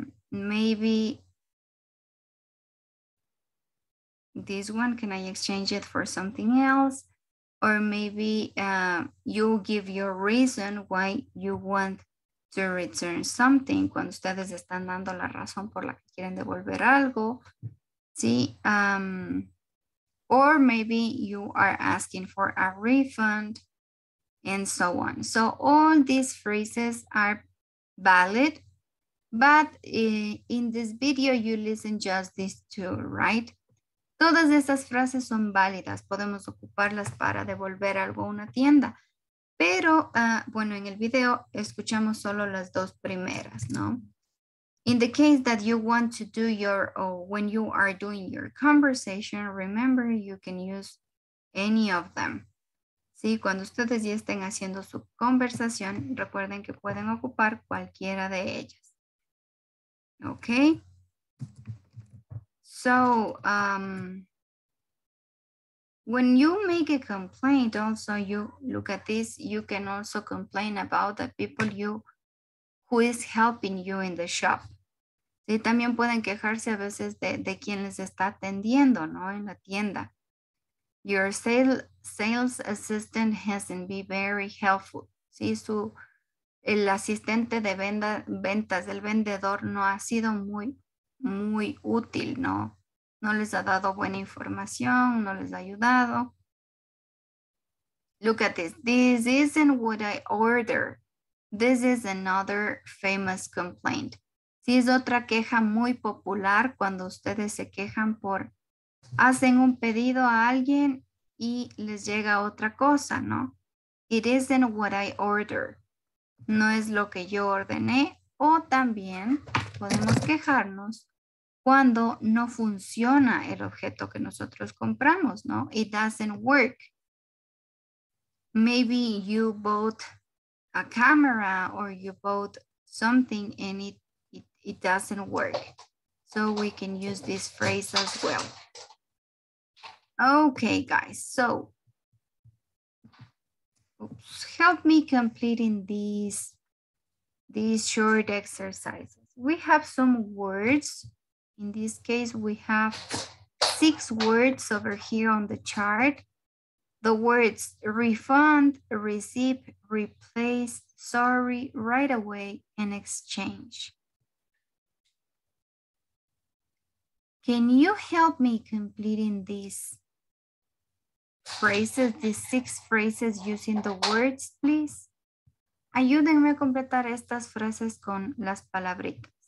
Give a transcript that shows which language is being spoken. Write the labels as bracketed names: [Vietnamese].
[English] Maybe this one, can I exchange it for something else? Or maybe you give your reason why you want to return something. [Spanish] Cuando ustedes están dando la razón por la que quieren devolver algo, sí. [English] Or maybe you are asking for a refund and so on. So all these phrases are valid, but in this video you listen just these two, right? [Spanish] Todas esas frases son válidas. Podemos ocuparlas para devolver algo a una tienda. Pero, bueno, en el video escuchamos solo las dos primeras, ¿no? [English] In the case that you want to do your, or when you are doing your conversation, remember you can use any of them. [Spanish] Sí, cuando ustedes ya estén haciendo su conversación, recuerden que pueden ocupar cualquiera de ellas. [English] Okay. So, when you make a complaint, also you look at this, you can also complain about the people who is helping you in the shop. [Spanish] Sí, también pueden quejarse a veces de quien les está atendiendo, ¿no? En la tienda. [English] Your sales assistant hasn't been very helpful. [Spanish] Sí, el asistente de ventas, el vendedor, no ha sido muy, muy útil, ¿no? No les ha dado buena información, no les ha ayudado. [English] Look at this. This isn't what I ordered. This is another famous complaint. [Spanish] Sí, es otra queja muy popular cuando ustedes se quejan por... hacen un pedido a alguien y les llega otra cosa, ¿no? [English] It isn't what I ordered. [Spanish] No es lo que yo ordené. O también podemos quejarnos cuando no funciona el objeto que nosotros compramos, ¿no? [English] It doesn't work. Maybe you bought a camera or you bought something and it doesn't work. So we can use this phrase as well. Okay, guys. So, oops, help me completing these short exercises. We have some words. In this case, we have six words over here on the chart. The words refund, receive, replace, sorry, right away, and exchange. Can you help me completing these phrases, these six phrases using the words, please? [Spanish] Ayúdenme a completar estas frases con las palabritas.